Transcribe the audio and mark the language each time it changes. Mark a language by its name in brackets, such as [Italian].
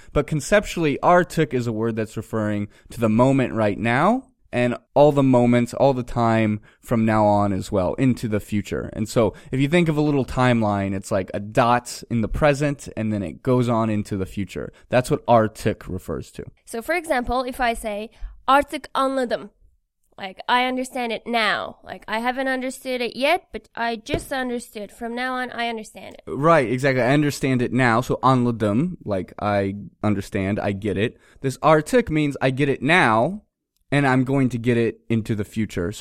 [English] But conceptually, artık is a word that's referring to the moment right now and all the moments, all the time from now on as well into the future. And so if you think of a little timeline, it's like a dot in the present and then it goes on into the future. That's what artık refers to. So for example, if I say [Turkish] artık anladım. [English] Like, I understand it now. Like, I haven't understood it yet, but I just understood. From now on, I understand it. Right, exactly. I understand it now. So, anladım, like, I understand, I get it. This artık means I get it now, and I'm going to get it into the future.